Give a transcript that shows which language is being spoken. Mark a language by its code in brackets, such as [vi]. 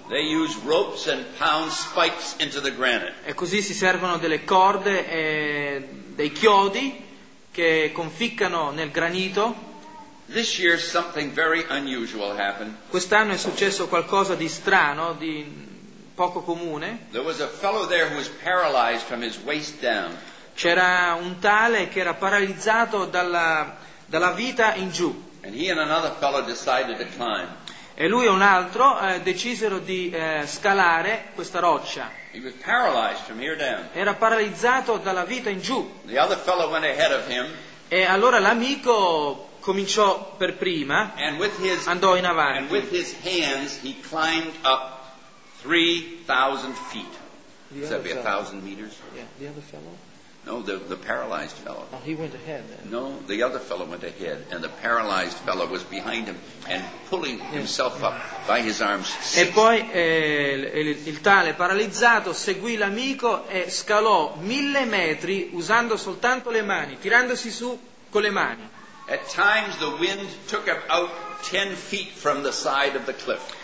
[en] They use ropes and pound spikes into the granite. [it] E così si servono delle corde e dei chiodi che conficcano nel granito. [en] This year something very unusual happened. [it] Quest'anno è successo qualcosa di strano, di poco comune. [en] There was a fellow there who was paralyzed from his waist down. [it] C'era un tale che era paralizzato dalla vita in giù. [en] And he and another fellow decided to climb. [it] E lui e un altro decisero di scalare questa roccia. [en] He was paralyzed from here down. [it] Era paralizzato dalla vita in giù. [en] The other fellow went ahead of him. [it] E allora l'amico cominciò per prima, andò in avanti. [en] And with his hands he climbed up 3,000 feet. Would that be 1,000 meters? Yeah, the other fellow. No, the paralyzed fellow. Oh, he went ahead then. No, the other fellow went ahead, and the paralyzed fellow was behind him and pulling himself up by his arms. [it] E poi il tale paralizzato seguì l'amico e scalò 1,000 metri usando soltanto le mani, tirandosi su con le mani. [en] At times the wind took him out 10 feet from the side of the cliff.